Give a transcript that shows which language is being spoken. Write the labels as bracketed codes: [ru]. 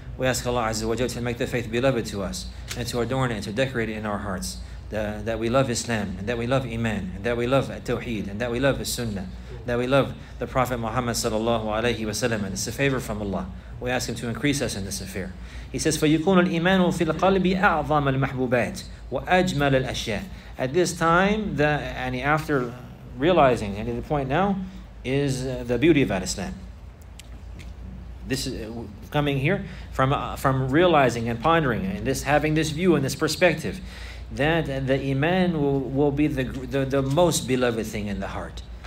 [en] We ask Allah Azza wa Jalla to make the faith beloved to us and to adorn it and to decorate it in our hearts. That we love Islam, and that we love Iman, and that we love Tawheed, and that we love Sunnah, that we love the Prophet Muhammad sallallahu alayhi wa sallam, and it's a favor from Allah. We ask Him to increase us in this affair. He says, [ar] فَيُكُونُ الْإِيمَانُ فِي الْقَلْبِ أَعْظَمَ الْمَحْبُوبَاتِ وَأَجْمَلَ الْأَشْيَاءِ. [en] At this time, after realizing, and the point now, is the beauty of al-Islam. This is coming here from realizing and pondering, and this having this view and this perspective, that the Iman will be the most beloved thing in the heart.